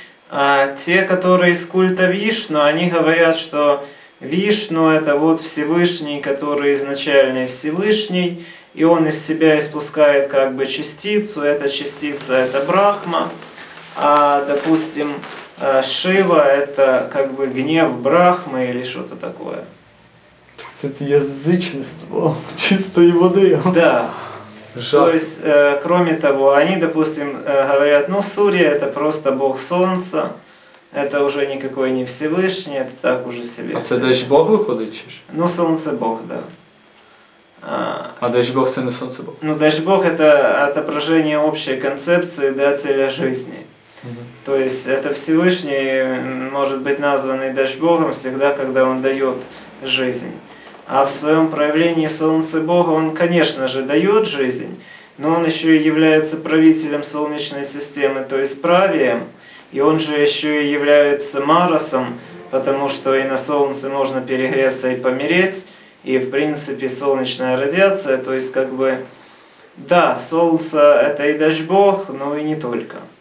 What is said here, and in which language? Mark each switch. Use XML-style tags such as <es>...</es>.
<ru>А те, которые из культа Вишну, они говорят, что Вишну — это вот Всевышний, который изначально Всевышний, и он из себя испускает как бы частицу, эта частица — это Брахма, а, допустим, Шива — это как бы гнев Брахмы или что-то такое. Это язычество чистой воды. Да. То есть, кроме того, они, допустим, говорят, ну, Сурья — это просто бог солнца, это уже никакой не Всевышний, это так уже себе.</ru> <uk>А це Дажбог виходить, чи ж?</uk> <ru>Ну, солнце — бог, да.</ru> <uk>А Дажбог — це не</uk> <ru>солнце — бог? Ну, Дажбог — это отображение общей концепции, да, целя жизни. То есть, это Всевышний может быть названный Дажбогом всегда, когда он дает жизнь. А в своем проявлении Солнце Бога он, конечно же, дает жизнь, но он еще и является правителем Солнечной системы, то есть правием, и он же еще и является Марасом, потому что и на Солнце можно перегреться и помереть, и в принципе солнечная радиация, то есть как бы, да, Солнце — это и Дажбог, но и не только.</ru>